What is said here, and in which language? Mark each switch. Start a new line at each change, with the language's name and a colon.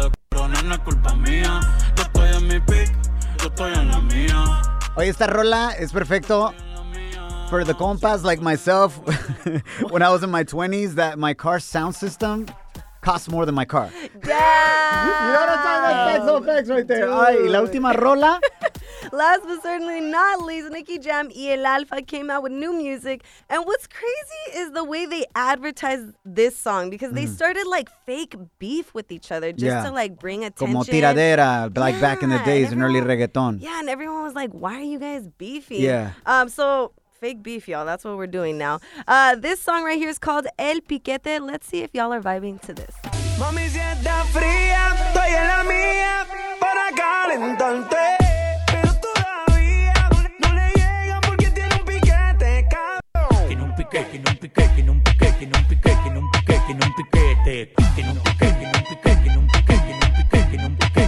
Spanish: Pero no es culpa mía. Yo estoy en mi pick, yo estoy en la mía. Oye, esta rola es perfecto
English: for the
Spanish: compas
English: like myself. When I was in my 20s, that my car sound system costs more than my car. Yeah. You know what I'm talking about? Facts right there. Dude. All right,
Spanish: y la última rola
English: Last but certainly not least, Nicki Jam y El Alfa came out with new music. And what's crazy is the way they advertised this song, because they started like fake beef with each other just to like bring attention.
Spanish: Como tiradera,
English: like back in the days in early reggaeton. Yeah, and everyone was like, why are you guys beefy? Yeah. So fake beef, y'all. That's what we're doing now. This song right here is called El Piquete. Let's see if y'all are vibing to this.
Spanish: Mami, si está fría, estoy en la mía para calentarte. Pero todavía no le llega porque tiene un piquete, cabrón. Tiene un piquete, tiene un piquete, tiene un piquete, tiene un piquete, tiene un piquete, tiene un piquete. Tiene un piquete, tiene un piquete, tiene un piquete, tiene un piquete, tiene un piquete, tiene un piquete.